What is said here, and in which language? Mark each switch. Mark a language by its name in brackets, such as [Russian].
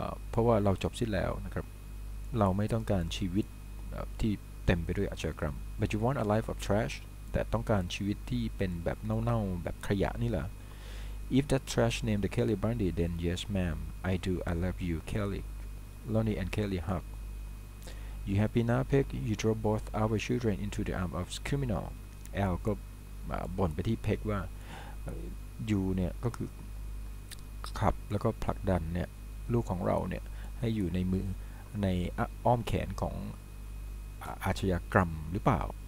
[Thai] เพราะว่าเราจบสิ้นแล้วนะครับเราไม่ต้องการชีวิตที่เต็มไปด้วยอาชญากรรม [English] But you want a life of trash [Thai] แต่ต้องการชีวิตที่เป็นแบบเน่าๆแบบขยะนี่แหละ [English] If that trash named Kelly Bundy then yes ma'am I do I love you Kelly Lonnie and Kelly hugYou happy now, Peg? You drove both our children into the arm of criminal. [Thai] Al ก็บ่นไปที่ Peg ว่าอยู่เนี่ยก็คือขับแล้วก็ผลักดันเนี่ยลูกของเราเนี่ยให้อยู่ในมือในอ้อมแขนของอาชญากรรมหรือเปล่า